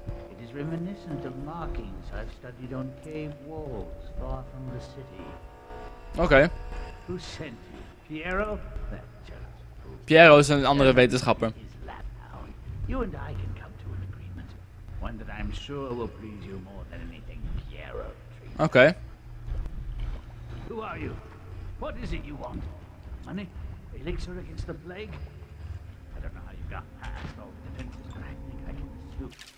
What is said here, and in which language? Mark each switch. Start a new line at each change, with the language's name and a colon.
English: It is reminiscent of markings I've studied on cave walls far from the city. Oké. Who sent you? Piero?
Dutch: Piero is een andere wetenschapper.
English: You and I can come to an agreement. One that I'm sure will please you more than anything Piero treats. Oké. Who are you? What is it you want? Money? Elixir against the plague? I don't know how you got past all the defenses, but I think I can assume.